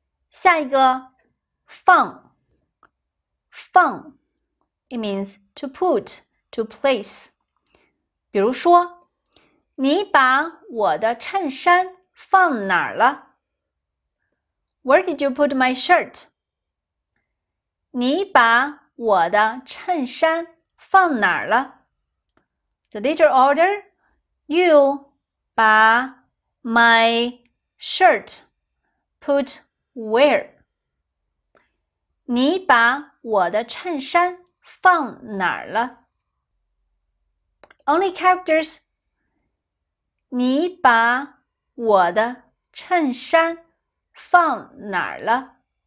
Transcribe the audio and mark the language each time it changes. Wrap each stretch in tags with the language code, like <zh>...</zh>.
<zh>下一个，放。放</zh> <en>,it means to put, to place.</en> <zh>比如说，你把我的衬衫放哪儿了？</zh> <en>Where did you put my shirt?</en> <zh>你把我的衬衫放哪儿了?</zh> <en>The letter order, you 把 my shirt put where?</en> <zh>你把我的衬衫放哪儿了?</zh> <en>Only characters,</en> <zh>你把我的衬衫放哪儿了?</zh>